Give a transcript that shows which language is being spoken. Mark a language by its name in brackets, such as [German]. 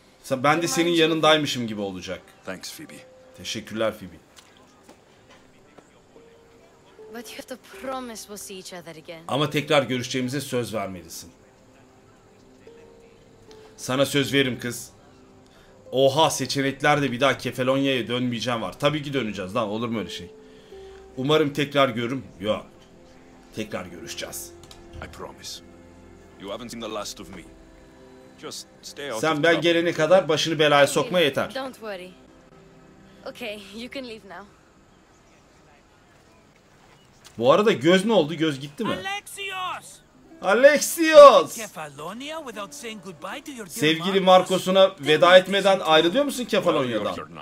[Turkish] Ben de senin yanındaymışım gibi olacak. [English] Thanks Phoebe. [Turkish] Teşekkürler Phoebe. [English] But you have to promise we'll see each other again. [Turkish] Ama tekrar görüşeceğimize söz vermelisin. Sana söz veririm kız. Oha, seçeneklerde bir daha Kefalonia'ya dönmeyeceğim var. Tabii ki döneceğiz lan, olur mu öyle şey? Umarım tekrar görürüm. Yok. Tekrar görüşeceğiz. [English] I promise. You haven't seen the last of me. Just stay out. [Turkish] Sen ben gelene kadar başını belaya sokma yeter. [English] Don't worry. Okay, you can leave now. [Turkish] Bu arada göz ne oldu? Göz gitti mi? Alexios! Alexios! Sevgili Marcos'una veda etmeden ayrılıyor musun Kefalonia'dan?